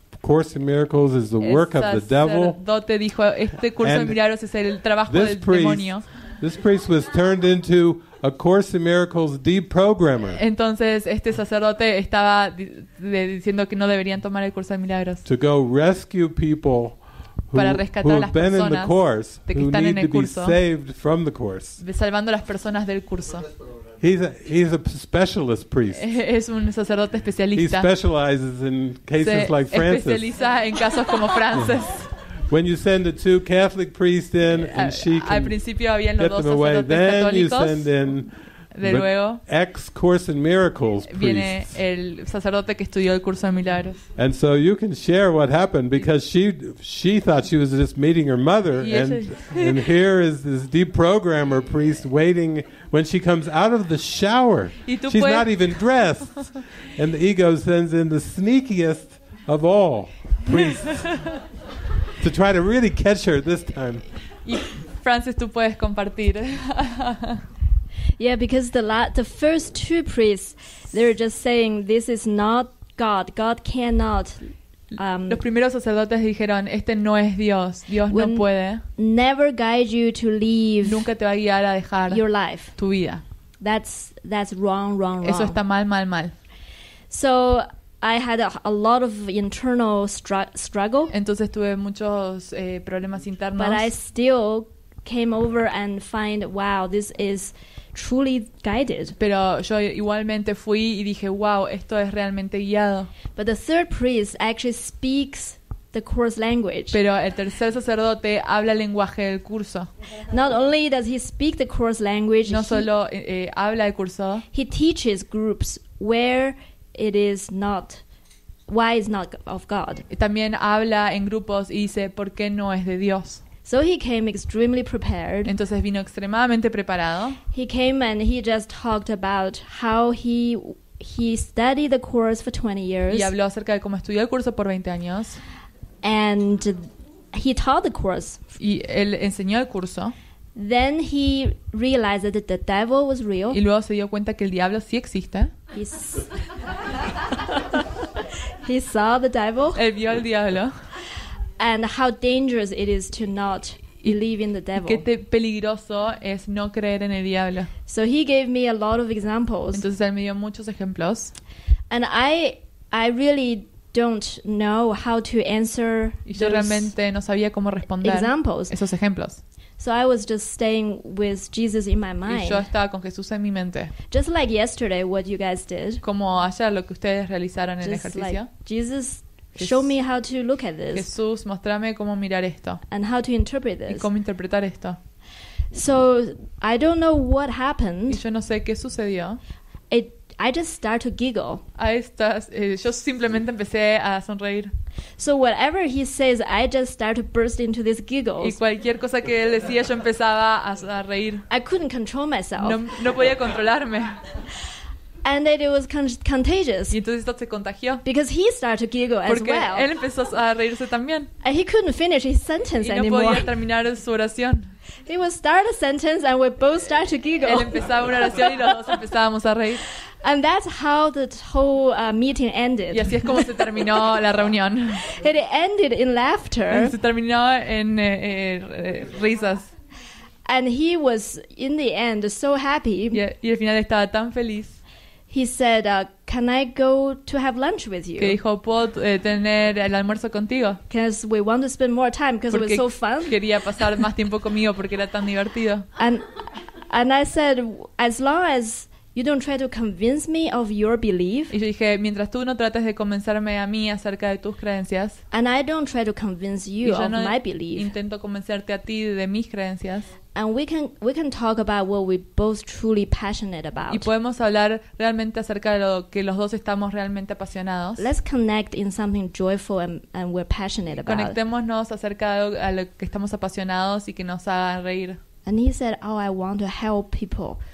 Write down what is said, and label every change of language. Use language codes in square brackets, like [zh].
[en] Course in Miracles is the work of the devil. [es] Sacerdote dijo, este curso de milagros es el trabajo del demonio. [en] This priest was turned into a Course in Miracles deprogrammer. [es] Entonces este sacerdote estaba diciendo que no deberían tomar el curso de milagros. [en] To go rescue people who have been in the course, who need to be saved from the course. [es] Salvando las personas del curso. [en] He's a specialist priest. [es] Es un sacerdote especialista. [en] He specializes in cases [es] Se [en] like Francis. [es] Especializa en casos como Francis. [en] When you send the two Catholic priests in and she can [es] al principio habían [en] get [es] los dos [en] them away, then [es] católicos. [en] You send in [es] De [en] But [es] luego, [en] ex Course in Miracles [es] viene el sacerdote que estudió el curso de milagros. [en] And so you can share what happened because she thought she was just meeting her mother, and here is this deep programmer priest waiting when she comes out of the shower. She's [es] puedes... [en] not even dressed, and the ego sends in the sneakiest of all priests to try to really catch her this time. [es] Francis, tú puedes compartir. [en] Yeah, because the first two priests, they're just saying this is not God. God cannot. [es] Los primeros sacerdotes dijeron, este no es Dios. Dios no puede. [en] Never guide you to leave. [es] Nunca te va a guiar a dejar [en] your life. [es] Tu vida. [en] That's wrong. [es] Eso está mal. [en] So I had a lot of internal struggle. [es] Entonces tuve muchos problemas internos. [en] But I still came over and find, wow, this is truly guided. [es] Pero yo igualmente fui y dije, wow, esto es realmente guiado. [en] But the third priest actually speaks the course language. [es] Pero el tercer sacerdote habla el lenguaje del curso. [en] Not only does he speak the course language, [es] habla el curso. [en] He teaches groups where it is not, why it's not of God. [es] También habla en grupos y dice, ¿por qué no es de Dios? [en] So he came extremely prepared. [es] Entonces vino extremadamente preparado. [en] He came and he just talked about how he studied the course for 20 years. [es] Y habló acerca de cómo estudió el curso por 20 años. [en] And he taught the course. [es] Y él enseñó el curso. [en] Then he realized that the devil was real. [es] Y luego se dio cuenta que el diablo sí existe. [en] He saw the devil. [es] Él vio al diablo. [en] And how dangerous it is to not believe in the devil. [es] Qué peligroso es no creer en el diablo. [en] So he gave me a lot of examples. [es] Entonces él me dio muchos ejemplos. [en] And I really don't know how to answer. [es] Y yo realmente no sabía cómo responder [en] examples. [es] Esos ejemplos. [en] So I was just staying with Jesus in my mind. [es] Y yo estaba con Jesús en mi mente. [en] Just like yesterday, what you guys did. [es] Como ayer lo que ustedes realizaron en el ejercicio. [en] Just like Jesus. Show me how to look at this. [es] Jesús, mostrame cómo mirar esto. [en] And how to interpret this. [es] Y cómo interpretar esto. [en] So I don't know what happened. [es] Y yo no sé qué sucedió. [en] I just start to giggle. [es] Yo simplemente empecé a sonreír. [en] So whatever he says, I just start to burst into this giggle. [es] Y cualquier cosa que él decía, yo empezaba a reír. [en] I couldn't control myself. [es] No podía controlarme. [en] And it was contagious. [es] Y entonces esto se contagió. [en] Because he started to giggle as [es] Porque [en] well. [es] Porque él empezó a reírse también. [en] And he couldn't finish his sentence anymore. [es] Y no podía terminar su oración. [en] He would start a sentence and we both start to giggle. [es] Él empezaba una oración y los dos empezábamos a reír. [en] And that's how the whole meeting ended. [es] Y así es como se terminó la reunión. [en] It ended in laughter. [es] Y se terminó en risas. [en] And he was in the end so happy. [es] Y al final estaba tan feliz. [en] He said, "Can I go to have lunch with you?" [es] Que dijo, ¿puedo tener el almuerzo contigo? [en] Because we want to spend more time because [es] porque [en] it was so fun. [es] Quería pasar más tiempo conmigo porque era tan divertido. [en] And I said, as long as you don't try to convince me of your belief. [es] Y yo dije, mientras tú no trates de convencerme a mí acerca de tus creencias. [en] And I don't try to convince you [es] y yo [en] of [es] no [en] my belief. [es] Intento convencerte a ti de mis creencias. [en] And we can talk about what we both truly passionate about. [es] Y podemos hablar realmente acerca de lo que los dos estamos realmente apasionados. [en] Let's connect in something joyful and we're passionate about. [es] Conectémonos acerca de a lo que estamos apasionados y que nos haga reír. [en] And he said, "Oh, I want to help people."